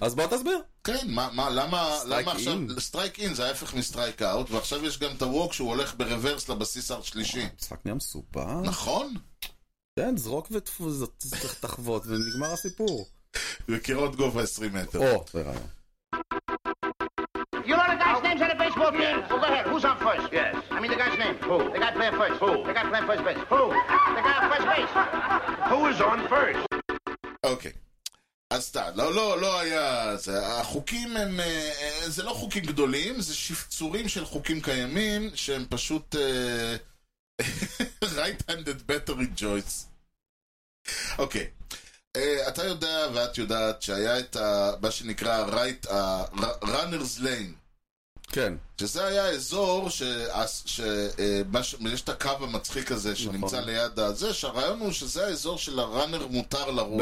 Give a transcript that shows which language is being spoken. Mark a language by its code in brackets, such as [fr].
[he] אז בוא תסביר. כן, למה עכשיו... סטרייק אין זה ההפך מסטרייק אאוט, ועכשיו יש גם את הווק שהוא הולך ברוורס לבסיס הארד שלישי. משחק נהיה מסופר. נכון. כן, זרוק ותחוות ונגמר הסיפור. וקירות גובה 20 מטר. או, תראה. [en] You know the guy's name's in a baseball game? Well, go ahead. Who's on first? Yes. I mean the guy's name. Who? The guy playing first. Who? The guy playing first base. Who? The guy on first base. Who is on first? [he] Okay. סתם, לא, לא, לא היה... זה, החוקים הם... זה לא חוקים גדולים, זה שפצורים של חוקים קיימים, שהם פשוט... [en] right-handed battery joints. [he] אוקיי. אתה יודע, ואת יודעת, שהיה את ה... מה שנקרא right... [en] runner's lane. [he] כן. שזה היה אזור ש... ש... ש... יש את הקו המצחיק הזה שנמצא נכון. ליד הזה, שהרעיון הוא שזה האזור של הראנר מותר לרוץ